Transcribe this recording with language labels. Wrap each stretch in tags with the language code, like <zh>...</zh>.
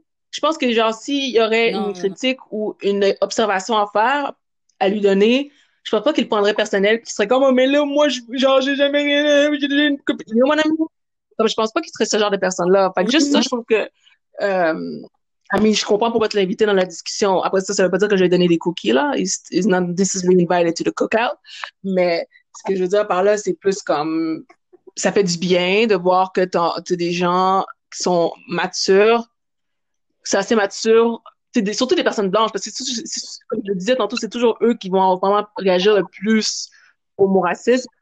<fr>Je pense que genre, s'il y aurait une critique ou une observation à faire, à lui donner... Je pense pas qu'il prendrait personnel, qu'il serait comme, oh, mais là, moi, j'ai jamais rien, j'ai déjà une copine, mon ami. Comme, je pense pas qu'il serait ce genre de personne-là. Fait que juste ça, je trouve que, Amine, je comprends pourquoi tu l'as invité dans la discussion. Après ça, ça veut pas dire que je vais donner des cookies, là.</fr> <en>It's not, this is being invited to the cookout.</en> <fr>Mais ce que je veux dire par là, c'est plus comme, ça fait du bien de voir que t'as des gens qui sont matures. C'est assez mature. Surtout des personnes blanches, parce que comme je le disais tantôt, c'est toujours eux qui vont vraiment réagir le plus au mot racisme.</fr>